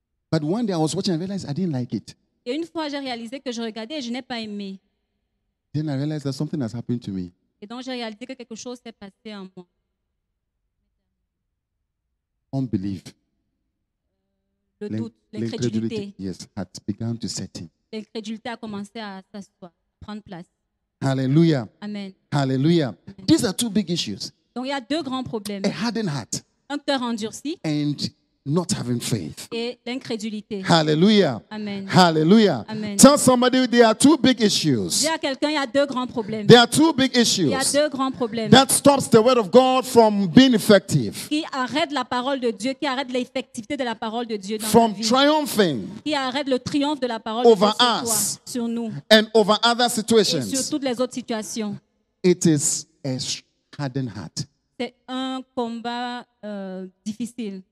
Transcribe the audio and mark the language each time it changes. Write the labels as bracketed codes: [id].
[en] But one day I was watching and realized I didn't like it. [fr] Et une fois, j'ai réalisé que je regardais et je n'ai pas aimé. [en] Then I realized that something has happened to me. [fr] Et donc j'ai réalisé que quelque chose s'est passé en moi. [en] Unbelief. [fr] Le doute, l'incrédulité. [en] Yes, had begun to set in. [fr] L'incrédulité a commencé à s'asseoir, prendre place. Hallelujah. Amen. Hallelujah. Amen. [en] These are two big issues. [fr] Donc il y a deux grands problèmes. [en] A hardened heart. [fr] Un cœur endurci. [en] And not having faith. [fr] Et l'incrédulité. Hallelujah. Amen. Hallelujah. Amen. [en] Tell somebody there are two big issues. [fr] Dis à quelqu'un, il y a deux grands problèmes. [en] There are two big issues. [fr] Il y a deux grands problèmes. [en] That stops the word of God from being effective. [fr] Qui arrête la parole de Dieu, qui arrête l'effectivité de la parole de Dieu dans [en] from [fr] ta vie. [en] From triumphing. [fr] Qui arrête le triomphe de la parole [en] over [fr] de Dieu [en] us [fr] sur toi, sur nous. [en] And over other situations. [fr] Et sur toutes les autres situations. [en] It is a hardened heart. [fr] C'est un combat difficile.